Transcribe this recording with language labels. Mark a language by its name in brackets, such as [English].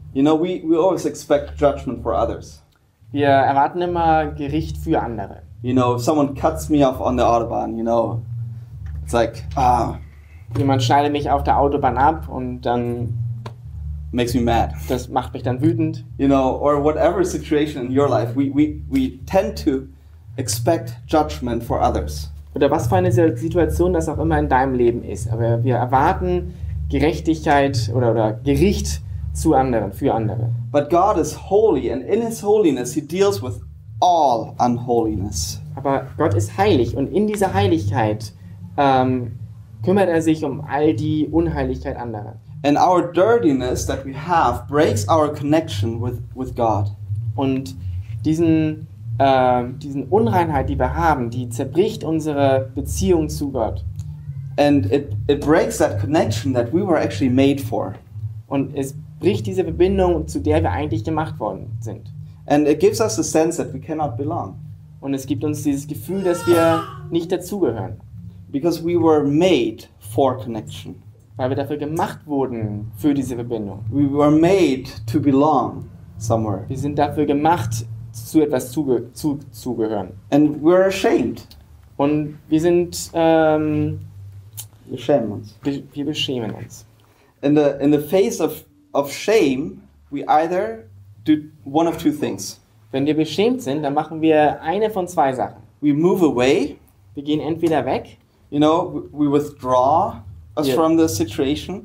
[English] You know, we always expect judgment for others. [German] Wir erwarten immer Gericht für andere. [English] You know, if someone cuts me off on the Autobahn, you know, It's like, ah. [German] Jemand schneidet mich auf der Autobahn ab und dann... [English] Makes me mad. [German] Das macht mich dann wütend. [English] You know, or whatever situation in your life, we tend to expect judgment for others. [German] Oder was für eine Situation das auch immer in deinem Leben ist. Aber wir erwarten Gerechtigkeit oder Gericht zu anderen, für andere. [English] But God is holy and in his holiness he deals with all unholiness. [German] Aber Gott ist heilig und in dieser Heiligkeit kümmert er sich um all die Unheiligkeit anderer. [English] And our dirtiness that we have breaks our connection with God. [German] Und diesen Unreinheit, die wir haben, die zerbricht unsere Beziehung zu Gott. [English] And it breaks that connection that we were actually made for. [German] Und es bricht diese Verbindung, zu der wir eigentlich gemacht worden sind. [English] And it gives us a sense that we cannot belong. [German] Und es gibt uns dieses Gefühl, dass wir nicht dazugehören. [English] Because we were made for connection. [German] Weil wir dafür gemacht wurden für diese Verbindung. [English] We were made to belong somewhere. [German] Wir sind dafür gemacht, zu etwas zuzugehören. [English] And we're ashamed. [German] Und wir sind wir schämen uns. Wir beschämen uns. [English] In the face of shame, we either do one of two things. [German] Wenn wir beschämt sind, dann machen wir eine von zwei Sachen. [English] We move away. [German] Wir gehen entweder weg. [English] You know, we withdraw us from the situation.